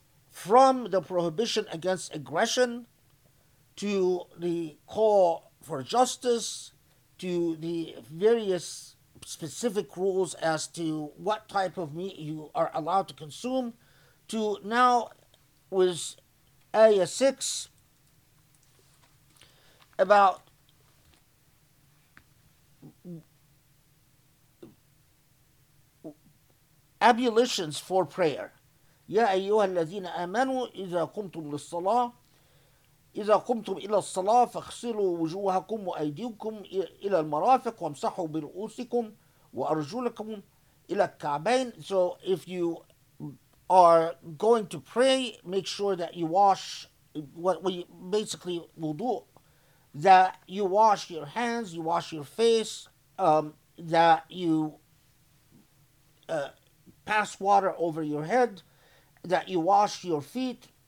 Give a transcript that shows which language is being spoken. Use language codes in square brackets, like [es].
[en] From the prohibition against aggression, to the call for justice, to the various specific rules as to what type of meat you are allowed to consume, to now with Ayah 6 about ablutions for prayer. [ar] يا أيها الذين آمنوا إذا قمتم للصلاة إذا قمتم إلى الصلاة فاغسلوا وجوهكم وأيديكم إلى المرافق وامسحوا برؤوسكم وأرجلكم إلى الكعبين. [en] So if you are going to pray, make sure that you wash, what we basically will do, that you wash your hands, you wash your face, that you pass water over your head, that you wash your feet.